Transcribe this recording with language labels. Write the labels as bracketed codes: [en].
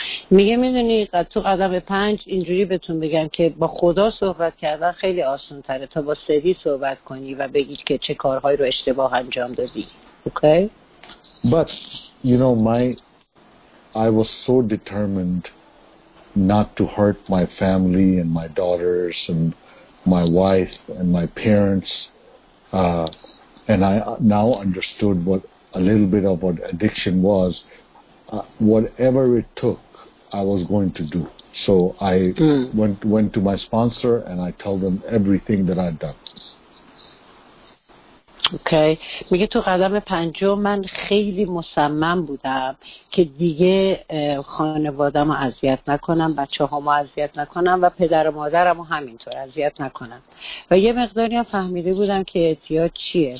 [fa] میگه میدونی تو قدم پنج اینجوری بهتون بگم که با خدا صحبت کردن خیلی آسان تره تا با سری صحبت کنی و بگید که چه کارهایی رو اشتباه انجام دادی. اوکی؟ [en] But you know, I was so determined not to hurt my family and my daughters and my wife and my parents, and I now understood what a little bit of what addiction was. Whatever it took, I was going to do. So I went to my sponsor and I told them everything that I'd done. [fa] اوکی. میگه تو قدم پنجم من خیلی مصمم بودم که دیگه خانوادم رو اذیت نکنم، بچه هم رو اذیت نکنم و پدر و مادرم رو همینطور اذیت نکنم، و یه مقداری هم فهمیده بودم که اعتیاد چیه.